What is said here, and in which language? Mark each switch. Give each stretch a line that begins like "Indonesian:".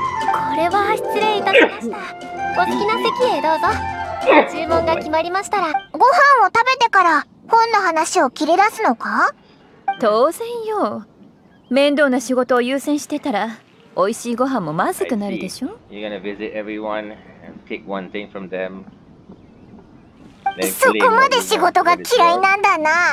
Japanese: これは失礼いたしました。お好きな席へどうぞ。注文が決まりましたら。ご飯を食べてから本の話を切り出すのか。当然よ。面倒な仕事を優先してたら美味しいご飯もまずくなるでしょ。
English: You're gonna visit everyone and pick one thing from them.
Japanese: そこまで仕事が嫌いなんだな。